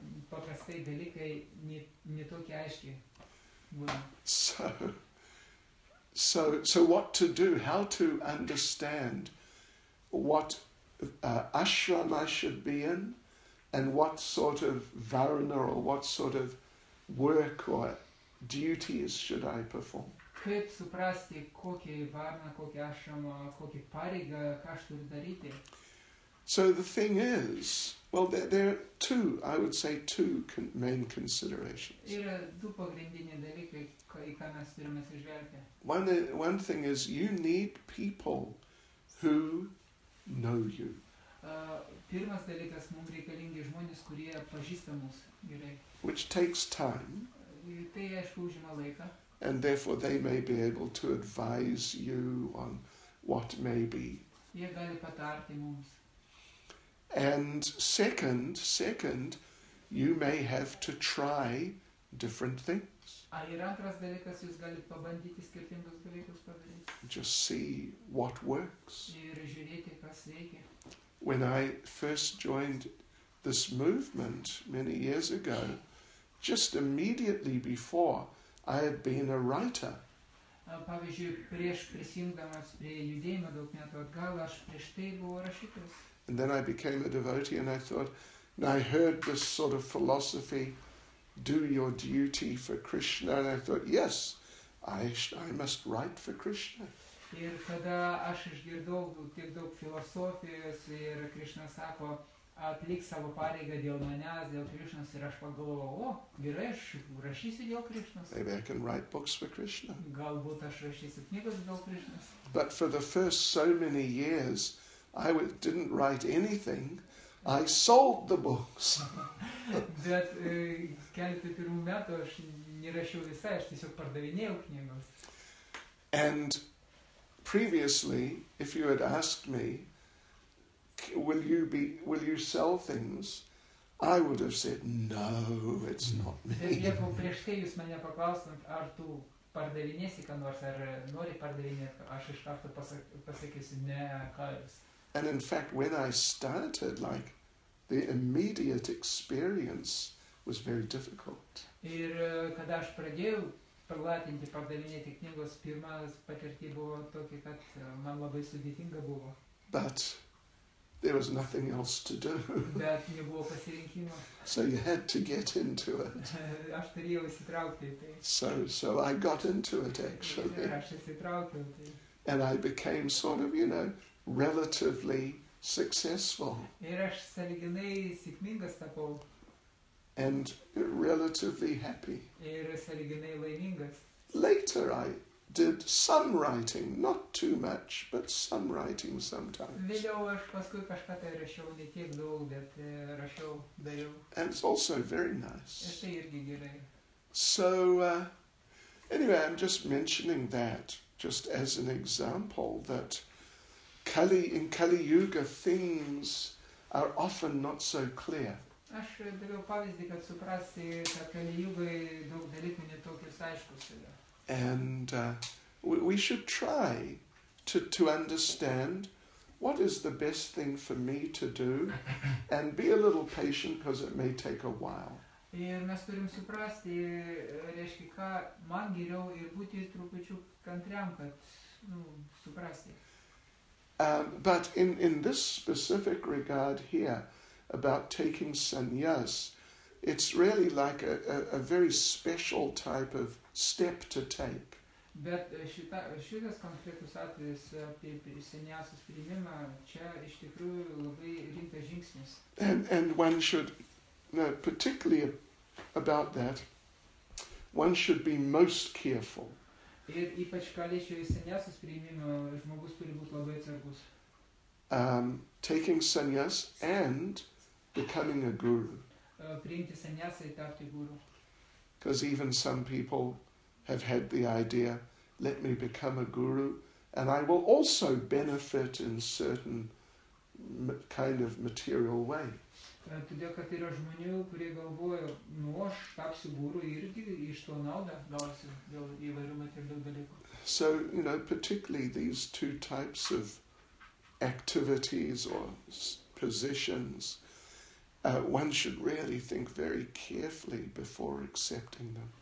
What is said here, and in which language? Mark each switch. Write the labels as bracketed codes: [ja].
[lt] Paprastai dalykai ne tokie aiškiai būna. [en] So what to do, how to understand what ashram I should be in, and what sort of varna or what sort of work or duties should I perform? [lt] Kaip suprasti, kokia varna, kokia ashrama, kokia pareiga, ką aš turiu daryti? [en] So the thing is, well, there are two, I would say, two main considerations. [lt] Yra du pagrindiniai dalykai, į ką mes turime atsižvelgti. [en] One thing is, you need people who know you. [lt] Pirmas dalykas, mums reikalingi žmonės, kurie pažįsta mus gerai. [en] Which takes time. [lt] Tai, aišku, užima laiką. [en] And therefore they may be able to advise you on what may be. [lt] Jie gali patarti mums. [en] And second, you may have to try different things. [lt] Ar ir antras dalykas, jūs galite pabandyti skirtingus dalykus padaryti. [en] Just see what works. [lt] Ir žiūrėti, kas veikia. [en] When I first joined this movement many years ago, just immediately before, I had been a writer. [lt] Pavyzdžiui, prieš prisijungdamas prie judėjimo daug metų atgal, aš prieš tai buvau rašytas. [en] And then I became a devotee and I thought, and I heard this sort of philosophy, do your duty for Krishna, and I thought, yes, I must write for Krishna. [lt] Ir kada aš išgirdau tiek daug filosofijos ir Krishna sako, atlik savo pareigą dėl manęs, dėl Krishnas, ir aš pagalvojau, o, gerai, aš rašysiu dėl Krishnas. [en] Maybe I can write books for Krishna. [lt] Galbūt aš rašysiu knygas dėl Krishnas. [en] But for the first so many years, I didn't write anything, I sold the books. [lt] Bet keletą pirmų metų aš nerašiau visai, aš tiesiog pardavinėjau knygas. [en] And previously, if you had asked me, will you sell things, I would have said, no, it's not me. [lt] Jeigu prieš tai jūs mane paklausot, ar tu pardavinėsi ką nors, ar nori pardavinėti, aš iš karto pasakysiu, ne, ką jūs. [en] And in fact, when I started, like, the immediate experience was very difficult. [lt] Ir kada aš pradėjau platinti, pardavinėti knygos, pirma patirtį buvo tokia, kad man labai sudėtinga buvo. [en] But there was nothing else to do. [lt] Bet nebuvo pasirinkimo. [en] So you had to get into it. [lt] Aš turėjau įsitraukti į tai. [en] So I got into it, actually. [lt] Aš įsitraukiau į tai. [en] And I became sort of, you know, relatively successful. [lt] Ir aš sąlyginai sėkmingas tapau. [en] And relatively happy. [lt] Ir sąlyginai laimingas. [en] Later I did some writing, not too much, but some writing sometimes. [lt] Vėliau aš paskui kažką tai rašiau, ne tiek daug, bet rašiau, dariau. [en] And it's also very nice. [lt] Ir tai irgi gerai. [en] So, anyway, I'm just mentioning that, just as an example, that in Kali Yuga things are often not so clear. [lt] Aš daviau pavyzdį, kad suprasti, kad Kali Yugai daug dalykų netokios aiškus yra. [en] And we should try to understand what is the best thing for me to do and be a little patient because it may take a while. [lt] Ir mes turim suprasti, reiškia, ką man geriau ir būti trupučiu kantriam, kad suprasti. [en] But in this specific regard here about taking sannyas, it's really like a very special type of step to take. [lt] Bet šitas konkretus atvejis apie sannyasos priėmimą, čia iš tikrųjų labai rimtas žingsnis. [en] And one should, particularly about that, one should be most careful. [lt] Ir ypač kaliečio sannyasos priėmimą, žmogus turi būti labai atsargus. [en] Taking sannyas and becoming a guru. [lt] Priimti sannyasą ir tapti guru. [en] Because even some people have had the idea, let me become a guru, and I will also benefit in certain kind of material way. [lt] Todėl, kad yra žmonių, kurie galvoja, nu, aš tapsiu guru irgi iš to naudą gausiu dėl įvairių materialių dalykų. [en] So, particularly these two types of activities or positions, one should really think very carefully before accepting them.